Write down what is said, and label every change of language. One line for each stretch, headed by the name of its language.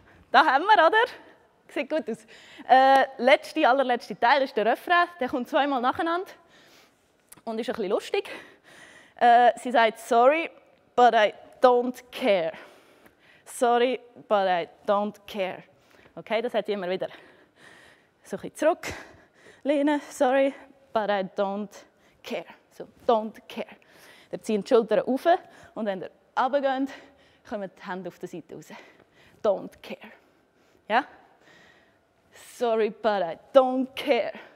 German: Da haben wir, oder? Sieht gut aus. Letzte, allerletzte Teil ist der Refrain. Der kommt zweimal nacheinander und ist ein bisschen lustig. Sie sagt,
English: sorry, but I don't care. Sorry, but I don't care. Okay,
German: das hat sie immer wieder. So ein bisschen zurück. Lehnen,
English: sorry, but I don't care. So, don't care.
German: Dann ziehen die Schultern rauf und wenn ihr runtergeht, kommen die Hände auf der Seite raus.
English: Don't care.
German: Ja?
English: Sorry, but I don't care.